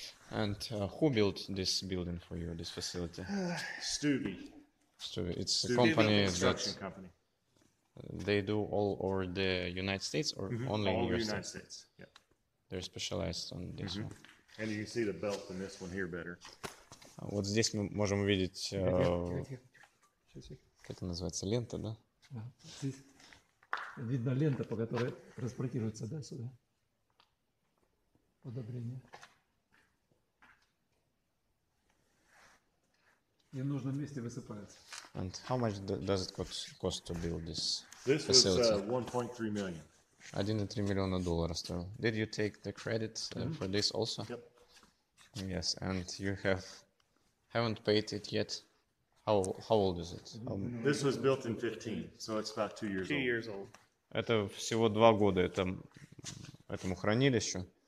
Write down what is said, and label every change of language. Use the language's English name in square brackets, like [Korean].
[English] And who built this building for you, this facility? Stubby. Stubby. It's Stubby, a company that company. They do all over the United States or mm-hmm. only all in the United States. States. Yep. They're specialized on this mm-hmm. one. And you can see the belt in this one here better. [Russian] Вот здесь мы можем увидеть как это называется, лента, да? Видно лента, по которой транспортируется, да, сюда. Удобрение. И в нужном месте высыпается. [English] And how much does it cost to build this? This facility? Was $1.3 million. $1.3 million [Russian] стоил. [English] Did you take the credit mm-hmm. for this also? Yep. Yes, and you haven't paid it yet. How old is it? This was built in 15, so it's about 2 years old. 2 years old. [Russian] Это всего 2 года этому хранилищу.